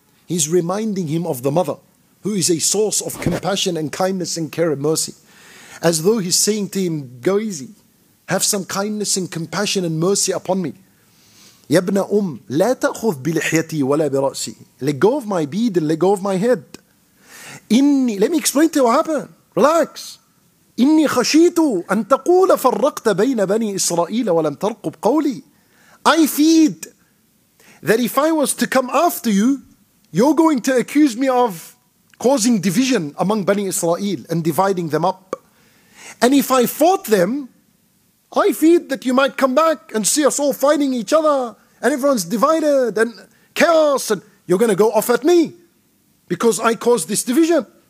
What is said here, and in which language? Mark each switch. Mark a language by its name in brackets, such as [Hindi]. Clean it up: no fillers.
[English] He's reminding him of the mother, who is a source of compassion and kindness and care and mercy. As though he's saying to him, go easy, have some kindness and compassion and mercy upon me. [Arabic] يَبْنَ أُمَّ لَا تَأْخُذْ بِلِحْيَتِي وَلَا بِرَأْسِي. [English] Let go of my beard and let go of my head. إني, let me explain to you what happened. Relax. [Arabic] إني خشيت أن تقول فرقت بين بني إسرائيل ولم ترقب قولي. [English] I feared that if I was to come after you, you're going to accuse me of causing division among Bani Israel and dividing them up. And if I fought them, I feared that you might come back and see us all fighting each other and everyone's divided and chaos, and you're going to go off at me because I caused this division.